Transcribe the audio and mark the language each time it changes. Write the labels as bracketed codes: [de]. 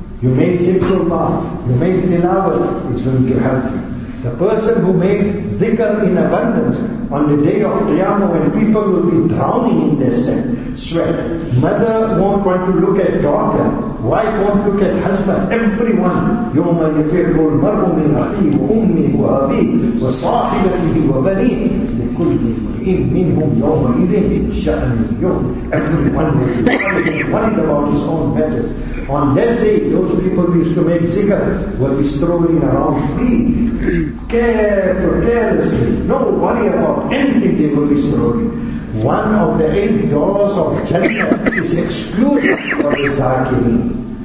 [en] You made zikrullah, you made tilawat, it's going to help you. The person who made dhikr in abundance, on the day of Qiyamah when people will be drowning in their sin, sweat. Mother won't want to look at daughter, wife won't look at husband, everyone. [ar] يَوْمَ يَفِرُّ الْمَرْءُ مِنْ أَخِيهِ وَأُمِّهِ وَأَبِيهِ وَصَاحِبَتِهِ وَبَنِيهِ لِكُلِّ مُرْءٍ مِنْهُمْ يَوْمَئِذٍ شَأْنٌ يُغْنِيهِ [en] Everyone will be worried about his own matters. On that day, those people who used to make zikr will be strolling around free, careful, carelessly. No worry about anything they will be strolling. One of the 8 doors of Jannah is exclusive for the Zakirin.